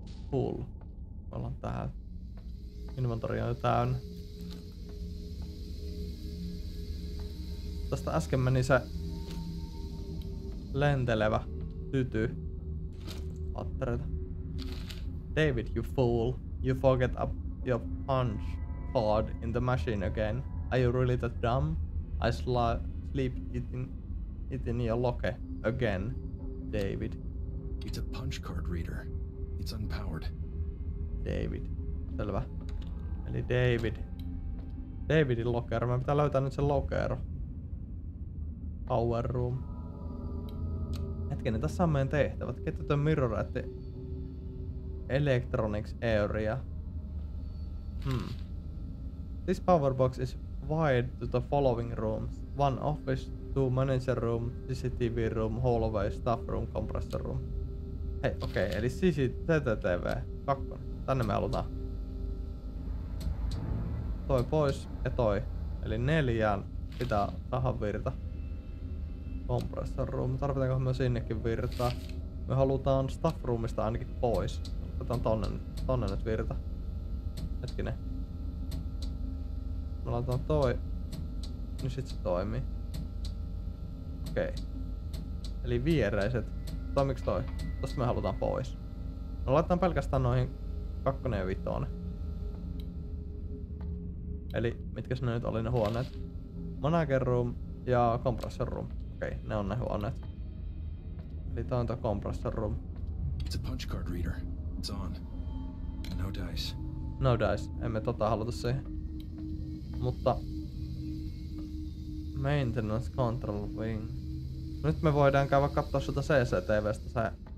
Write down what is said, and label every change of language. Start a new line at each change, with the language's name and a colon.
Finnish: Cool. Me ollaan täällä. Inventori on jo täynnä. Tästä äsken meni se lentelevä tyty.
English: Aattareita. David, you fool. You forget up your punch card in the machine again. Are you really that dumb? I sleep it in your locker again, David. It's a punch card reader. It's unpowered.
Finnish: David. Selvä. Eli David. Davidin locker. Mä pitää löytää nyt sen locker. Power room. Hetkinen, tässä on meidän tehtävät.
English: Get the mirror at the electronics area. This power box is wired to the following rooms. One office, two manager room, CCTV room, hallway, staff room, compressor room.
Finnish: Hei, okei, okay, eli CCTV. Kakkonen. Tänne me halutaan. Toi pois ja toi. Eli neljään pitää tahan virta. Compressor room. Tarvitaankohan me sinnekin virtaa? Me halutaan staff roomista ainakin pois. Otetaan tonne nyt virta. Hetkinen. Me laitetaan toi. Nyt sit se toimii. Okei. Okay. Eli viereiset. Toimiks toi? Tosta me halutaan pois. Me laitetaan pelkästään noihin kakkonen ja vitonen. Eli mitkäs ne nyt oli ne huoneet? Manager room ja compressor room. Okei, okay, ne on ne huoneet. Eli toi on toi compressor room.
English: It's a punch card reader. It's on. No dice. No dice.
Finnish: Emme tota haluta siihen. Mutta...
English: Maintenance control wing.
Finnish: Nyt me voidaan käydä katsoa sieltä CCTVstä se...